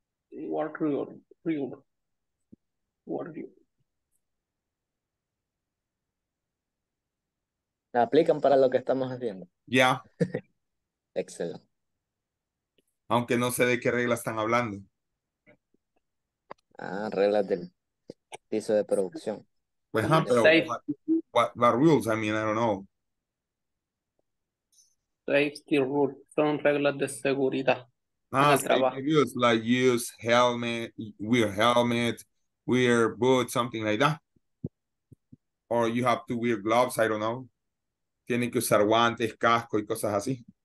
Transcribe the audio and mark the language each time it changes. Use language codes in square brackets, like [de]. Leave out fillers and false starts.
[en] Work rules. [es] ¿La aplican para lo que estamos haciendo? [en] Yeah. [es] Excelente. Aunque no sé de qué reglas están hablando. Ah, reglas del piso de producción. Pues, pero, [en] what rules? I mean, I don't know. Safety rules. [es] Son reglas de seguridad. [en] Ah, safety rules. Like use helmet, wear helmet, wear boots, something like that. Or you have to wear gloves, I don't know. [es] Tienen que usar guantes, casco y cosas así.